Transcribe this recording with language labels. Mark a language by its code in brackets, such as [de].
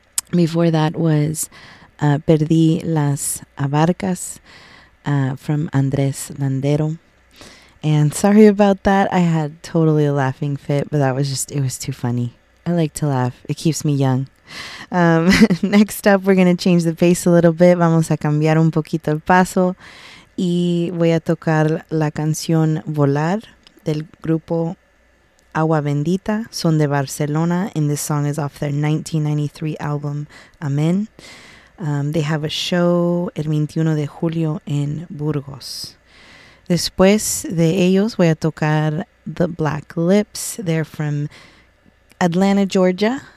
[en] before that was Perdí Las Abarcas from Andrés Landero. And sorry about that, I had totally a laughing fit, but that was just, it was too funny. I like to laugh, it keeps me young. Next up, we're going to change the pace a little bit. [es] Vamos a cambiar un poquito el paso. Y voy a tocar la canción Volar del grupo Agua Bendita. Son de Barcelona, [en] and this song is off their 1993 album, Amen. They have a show [es] el 21 de julio en Burgos. Después de ellos, voy a tocar The Black Lips. [en] They're from Atlanta, Georgia.